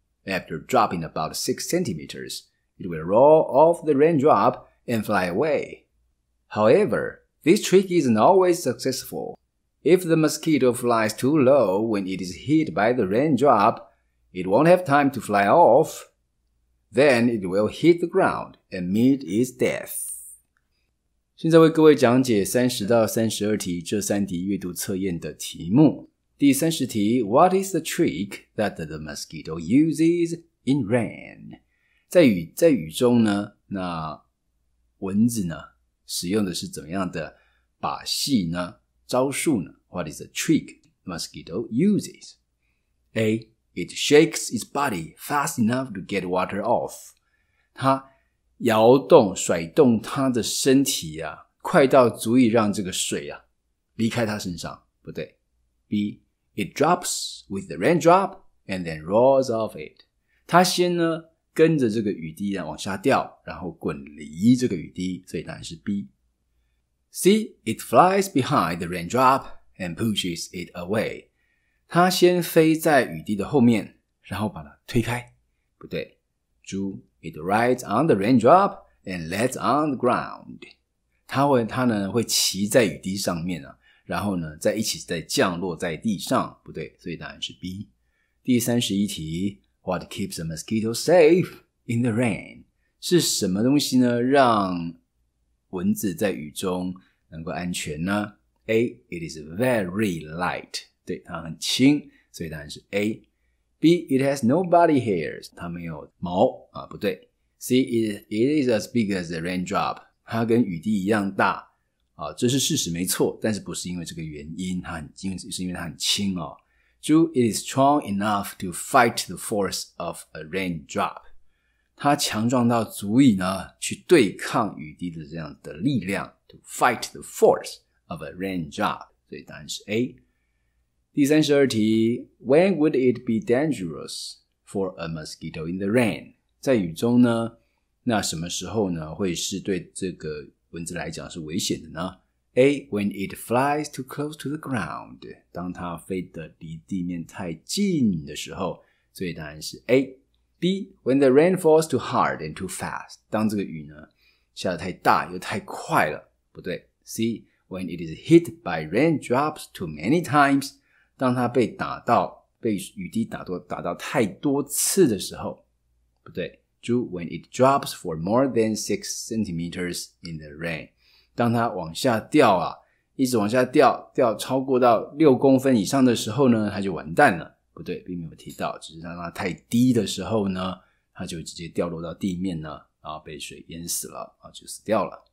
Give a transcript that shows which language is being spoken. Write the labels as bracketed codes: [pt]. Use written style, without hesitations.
[en] After dropping about 6 centimeters, it will roll off the raindrop and fly away. However, this trick isn't always successful. If the mosquito flies too low when it is hit by the raindrop, it won't have time to fly off. Then it will hit the ground and meet its death. [zh] 现在为各位讲解30到32题这三题阅读测验的题目。 [en] 第30题 What is the trick that the mosquito uses in rain? [zh] 在雨中呢，那蚊子呢使用的是怎么样的把戏呢招数呢 [en] What is the trick mosquito uses? [zh] A. [en] It shakes its body fast enough to get water off. [zh] 它摇动甩动它的身体啊快到足以让这个水啊离开它身上。不对。B. [en] It drops with the raindrop and then rolls off it. [zh] 它先呢跟着这个雨滴啊往下掉然后滚离这个雨滴所以答案是 B。 C. [en] It flies behind the raindrop and pushes it away. [zh] 它先飞在雨滴的后面然后把它推开。不对。D. [en] It rides on the raindrop and lands on the ground. [zh] 它呢会骑在雨滴上面啊然后呢再一起再降落在地上。不对。所以答案是 B。第31题。 [en] What keeps a mosquito safe in the rain? [zh] 是什么东西呢让蚊子在雨中能够安全呢 ?A. [en] It is very light. [zh] 对它很轻所以答案是 A. B. [en] It has no body hairs. [zh] 它没有毛啊不对。 [en] C. It is as big as a raindrop. [zh] 它跟雨滴一样大啊这是事实没错但是不是因为这个原因它很轻是因为它很轻哦。 [en] Two, it is strong enough to fight the force of a raindrop. [zh] 它强壮到足以呢去对抗雨滴的这样的力量 [en] to fight the force of a raindrop. [zh] 所以答案是 A. [en] 第32题 When would it be dangerous for a mosquito in the rain? [zh] 在雨中呢那什么时候呢会是对这个蚊子来讲是危险的呢A. [en] When it flies too close to the ground. [zh] 当它飞得离地面太近的时候所以答案是 A. B. [en] When the rain falls too hard and too fast. [zh] 当这个雨呢下得太大又太快了。不对。C. [en] When it is hit by raindrops too many times. [zh] 当它被打到被雨滴打到太多次的时候。不对。D. [en] When it drops for more than 6 centimeters in the rain. [zh] 当它往下掉啊一直往下掉掉超过到6公分以上的时候呢它就完蛋了。不对并没有提到只是让它太低的时候呢它就直接掉落到地面呢然后被水淹死了然后就死掉了。